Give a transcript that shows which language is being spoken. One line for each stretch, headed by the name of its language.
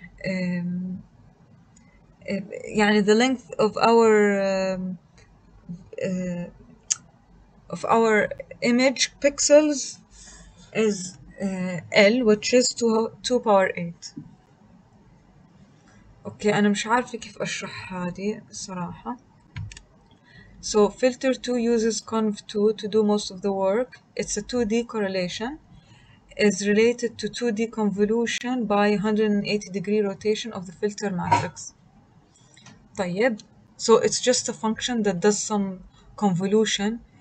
Arabic: يعني
English: the length of our image pixels is L, which is 2 power 8.
Arabic: Okay, أنا مش عارفة كيف أشرح هذه صراحة.
English: So filter 2 uses conv 2 to do most of the work. It's a 2D correlation. It's related to 2D convolution by 180 degree rotation of the filter matrix.
Arabic: طيب.
English: So it's just a function that does some convolution.